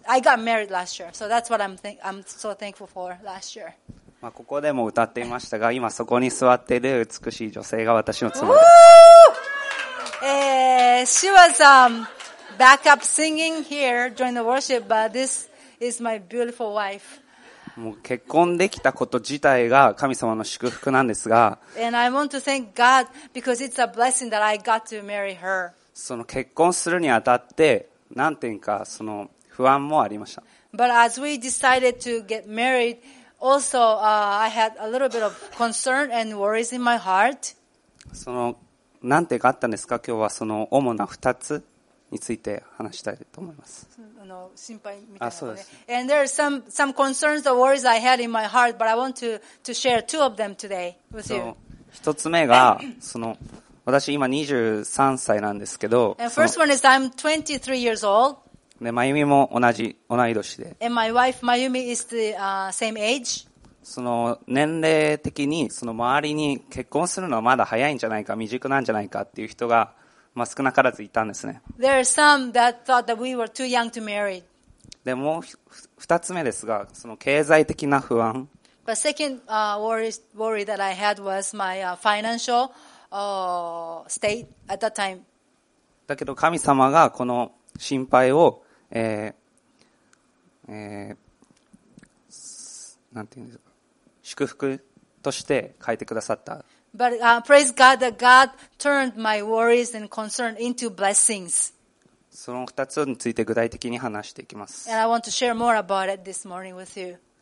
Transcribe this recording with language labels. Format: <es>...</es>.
<en>I got married last year, so that's what I'm so thankful for last year.</en> <ja>まあ、ここでも歌っていましたが、今そこに座っている美しい女性が私の妻です。</ja> <en>She was backup singing here during the worship, but this is my beautiful wife.</en> <ja>もう結婚できたこと自体が神様の祝福なんですが。</ja> <en>And I want to thank God because it's a blessing that I got to marry her.</en> <ja>その結婚するにあたって、何点かその不安もありました。</ja> <en>But as we decided to get married,Also, I had a little bit of concern and worries in my heart.</en> <ja>その、何点かあったんですか？今日はその主な2つについて話したいと思います。心配みたいな、ね。あ、そうです。</ja> <en>And there are some concerns or worries I had in my heart, but I want to share two of them today with you.</en> <ja>一つ目が、その、私今23歳なんですけど。</ja> <en>And first one is I'm 23 years old.</en> <ja>で、まゆみも同い年で。</ja> <en>And my wife, Mayumi, is the, same age.</en> <ja>その年齢的にその周りに結婚するのはまだ早いんじゃないか、未熟なんじゃないかっていう人が、まあ、少なからずいたんですね。</ja> <en>There are some that thought that we were too young to marry.</en> <ja>で、もう二つ目ですが、その経済的な不安。</ja> <en>But second, worry that I had was my, financial, state at that time.</en> <ja>だけど神様がこの心配を、なんていうんですか、祝福として変えてくださった。</ja> <en>But, praise God that God turned my worries and concern into blessings.</en> <ja>その二つについて具体的に話していきます。</ja> <en>And I want to share more about it this morning with you.</en>